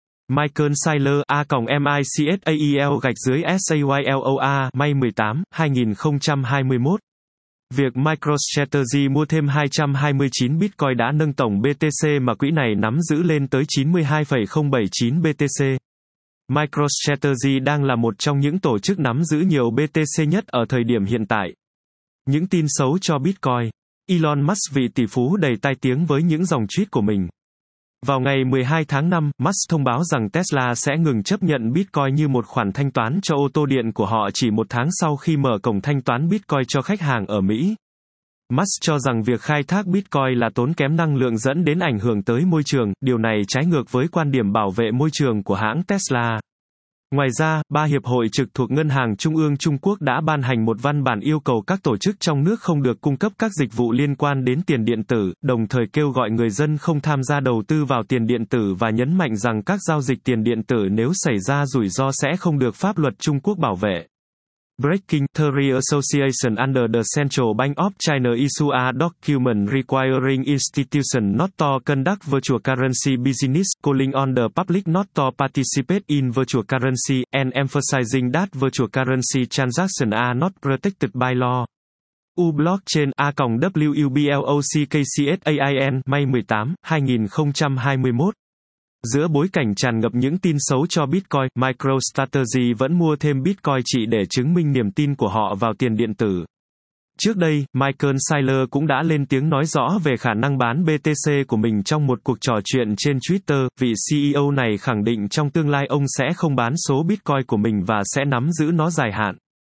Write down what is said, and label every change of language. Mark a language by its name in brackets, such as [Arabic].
[English] Michael Saylor, A-MICSAEL-SAYLOR, May 18/2021. [Vietnamese] Việc MicroStrategy mua thêm 229 Bitcoin đã nâng tổng BTC mà quỹ này nắm giữ lên tới 92.079 BTC. MicroStrategy đang là một trong những tổ chức nắm giữ nhiều BTC nhất ở thời điểm hiện tại. Những tin xấu cho Bitcoin. Elon Musk, vị tỷ phú đầy tai tiếng với những dòng tweet của mình. Vào ngày 12 tháng 5, Musk thông báo rằng Tesla sẽ ngừng chấp nhận Bitcoin như một khoản thanh toán cho ô tô điện của họ chỉ một tháng sau khi mở cổng thanh toán Bitcoin cho khách hàng ở Mỹ. Musk cho rằng việc khai thác Bitcoin là tốn kém năng lượng dẫn đến ảnh hưởng tới môi trường, điều này trái ngược với quan điểm bảo vệ môi trường của hãng Tesla. Ngoài ra, ba hiệp hội trực thuộc Ngân hàng Trung ương Trung Quốc đã ban hành một văn bản yêu cầu các tổ chức trong nước không được cung cấp các dịch vụ liên quan đến tiền điện tử, đồng thời kêu gọi người dân không tham gia đầu tư vào tiền điện tử và nhấn mạnh rằng các giao dịch tiền điện tử nếu xảy ra rủi ro sẽ không được pháp luật Trung Quốc bảo vệ. [English] Breaking: Treasury Association under the Central Bank of China issue a document requiring institutions not to conduct virtual currency business, calling on the public not to participate in virtual currency, and emphasizing that virtual currency transactions are not protected by law. U-Blockchain, A-WBLOCKCSAIN, May 18/2021. [Vietnamese] Giữa bối cảnh tràn ngập những tin xấu cho Bitcoin, MicroStrategy vẫn mua thêm Bitcoin chỉ để chứng minh niềm tin của họ vào tiền điện tử. Trước đây, Michael Saylor cũng đã lên tiếng nói rõ về khả năng bán BTC của mình trong một cuộc trò chuyện trên Twitter, vị CEO này khẳng định trong tương lai ông sẽ không bán số Bitcoin của mình và sẽ nắm giữ nó dài hạn.